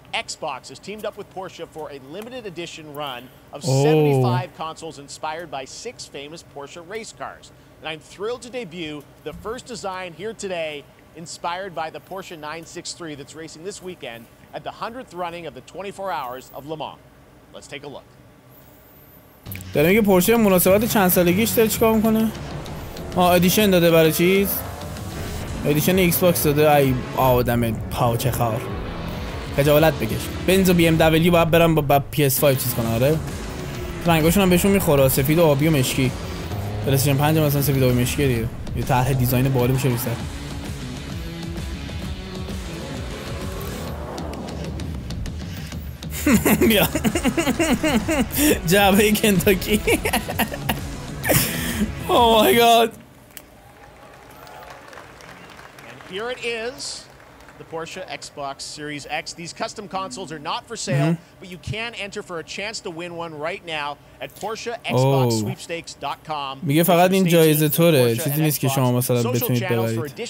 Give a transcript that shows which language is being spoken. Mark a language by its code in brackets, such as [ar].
[en] Xbox has teamed up with Porsche for a limited edition run of 75 consoles inspired by six famous Porsche race cars. And I'm thrilled to debut the first design here today inspired by the Porsche 963 that's racing this weekend at the 100th running of the 24 Hours of Le Mans. Let's take a look. [fa] داره میگه پورشه مناسبت چند سالگیش داره چیکار میکنه؟ آه ادیشن داده برای چیز؟ ادیشن ایکس باکس داده. ای آدم پاوچه خار خجالت بکش. بنز و بی ام دبلیو باید برم با پیس 5 چیز کنه. آره رنگاشون هم بهشون میخوره، سفید و آبی و مشکی. پلیستیشن 5 هم اصلا سفید و آبی مشکی دیگه. یه طرح دیزاین باحال میشه بیسر. بیا جعبه کنتاکی. [en] Oh my god. And here it is, the Porsche Xbox Series X. These custom consoles are not for sale, but you can enter for a chance to win one right now at PorscheXboxSweepstakes.com. [fa] میگه فقط این جایزه توره، چیزی نیست که شما مثلا بتونید ببرید.